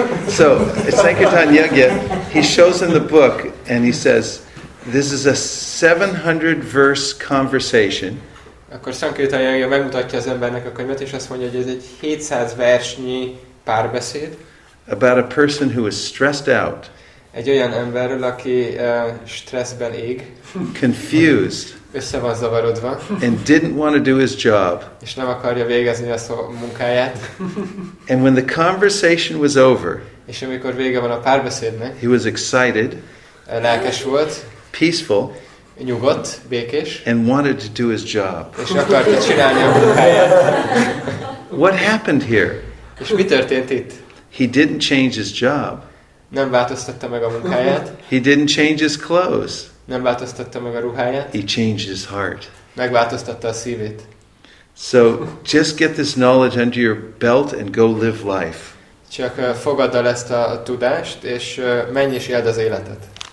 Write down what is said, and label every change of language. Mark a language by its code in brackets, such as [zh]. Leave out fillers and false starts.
[en] So, Sankirtan Yagya, he shows in the book, and he says, this is a 700-verse conversation. [hu] Akkor Sankirtan Yagya megmutatja az embernek a könyvet, és azt mondja, hogy ez egy 700 versnyi párbeszéd. [en] About a person who is stressed out. [hu] Egy olyan emberről, aki stresszben ég, [en] confused, [hu] össze van zavarodva, [en] and didn't want to do his job, [hu] és nem akarja végezni ezt a munkáját. [en] And when the conversation was over, [hu] és amikor vége van a párbeszédnek, [en] he was excited, [hu] lelkes volt, [en] peaceful, [hu] nyugodt, békés, [en] and wanted to do his job, [hu] és akarta csinálni a munkáját. [en] What happened here? [hu] És mi történt itt? [en] He didn't change his job. [hu] Nem változtatta meg a munkáját. [en] He didn't change his clothes. [hu] Nem változtatta meg a ruháját. [en] He changed his heart. [hu] Megváltoztatta a szívét. [en] So just get this knowledge under your belt and go live life. [hu] Csak fogadd el ezt a tudást és menj és éld az életet.